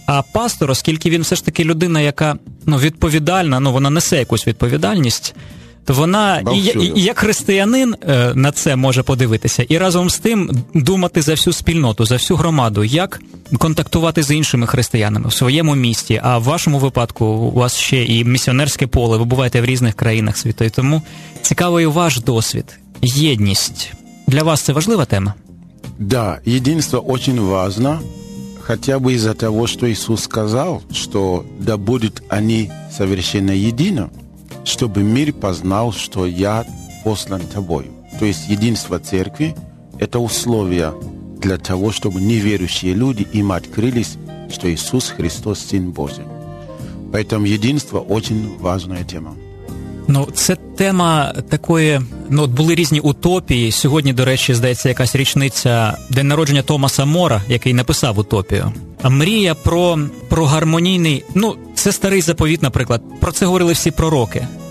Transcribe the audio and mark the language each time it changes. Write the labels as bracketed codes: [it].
[uk] А пастор, оскільки він все ж таки людина, яка, ну, відповідальна, ну, вона несе якусь відповідальність, то вона і як християнин на це може подивитися, і разом з тим думати за всю спільноту, за всю громаду, як контактувати з іншими християнами в своєму місті, а в вашому випадку у вас ще і місіонерське поле, ви буваєте в різних країнах світу, і тому цікавий ваш досвід, єдність. Для вас це важлива тема? Да, єдинство дуже важливо, хоча б із-за того, що Ісус сказав, що «да будуть вони совершенно єдино», [ru] чтобы мир познал, что я послан тобою. То есть единство церкви – это условие для того, чтобы неверующие люди им открылись, что Иисус Христос – Сын Божий. Поэтому единство – очень важная тема. [uk] Ну, це тема такої, ну, от були різні утопії. Сьогодні, до речі, здається, якась річниця, день народження Томаса Мора, який написав утопію. А мрія про гармонійний, ну, це старий заповіт, наприклад, про це говорили всі пророки.